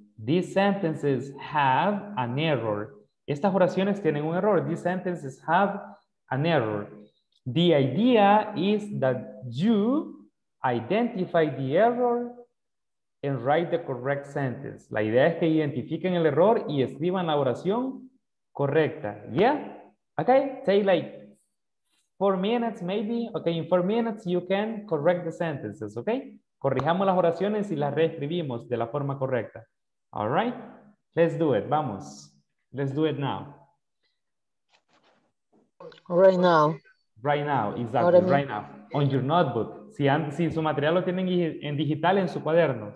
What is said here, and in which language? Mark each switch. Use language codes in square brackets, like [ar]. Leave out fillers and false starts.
[en] These sentences have an error. [es] Estas oraciones tienen un error. [en] These sentences have an error. The idea is that you identify the error and write the correct sentence. [es] La idea es que identifiquen el error y escriban la oración correcta. [en] Yeah? Okay? Take like 4 minutes maybe. Okay, in 4 minutes you can correct the sentences. Okay? [es] Corrijamos las oraciones y las reescribimos de la forma correcta. [en] All right? Let's do it. Vamos. Let's do it now. Right now. Right now. Exactly. Right now. On your notebook. [es] Si su material lo tienen en digital, en su cuaderno.